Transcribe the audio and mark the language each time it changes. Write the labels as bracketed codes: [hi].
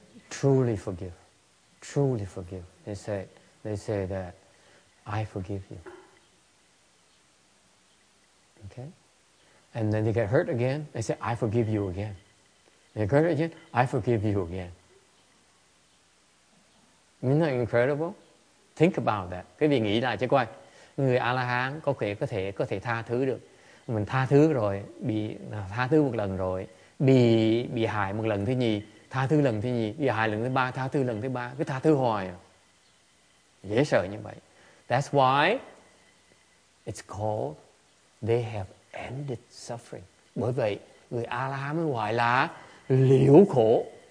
[en] Truly forgive. They say that I forgive you. Okay? And then they get hurt again, they say, I forgive you again. They get hurt again, I forgive you again. Isn't that incredible? Think about that. [vi] Cái vị nghĩ lại chứ coi, người A-la-hán có thể tha thứ được. Mình tha thứ rồi, bị tha thứ một lần rồi, bị hại một lần thứ nhì, tha thứ lần thứ nhì, bị hại lần thứ ba, tha thứ lần thứ ba, cứ tha thứ hoài. Dễ sợ như vậy. [en] That's why it's called they have ended suffering. [vi] Bởi vậy, người A-la-hán gọi là liễu khổ.